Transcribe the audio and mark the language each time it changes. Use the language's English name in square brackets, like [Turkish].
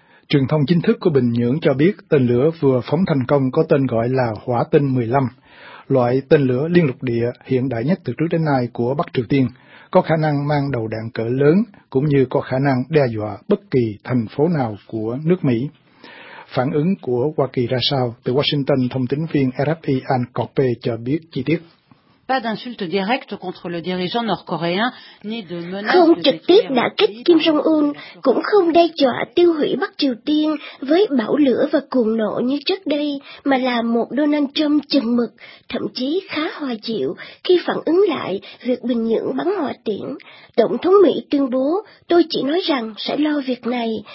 [Vietnamese] Truyền thông chính thức của Bình Nhưỡng cho biết tên lửa vừa phóng thành công có tên gọi là Hỏa Tinh 15, loại tên lửa liên lục địa hiện đại nhất từ trước đến nay của Bắc Triều Tiên, có khả năng mang đầu đạn cỡ lớn cũng như có khả năng đe dọa bất kỳ thành phố nào của nước Mỹ. Phản ứng của Hoa Kỳ ra sao? Từ Washington, thông tấn viên RFI Ann Coppe cho biết chi tiết. [French] pas d'insultes directes contre le dirigeant nord-coréen ni de menaces. [Vietnamese] Không trực tiếp đả kích Kim Jong Un cũng không đe dọa tiêu hủy Bắc Triều Tiên với bão lửa và cuồng nộ như trước đây, mà là một Donald Trump chừng mực, thậm chí khá hòa chịu khi phản ứng lại việc Bình Nhưỡng bắn hỏa tiễn. Tổng thống Mỹ tuyên bố: "Tôi chỉ nói rằng sẽ lo việc này.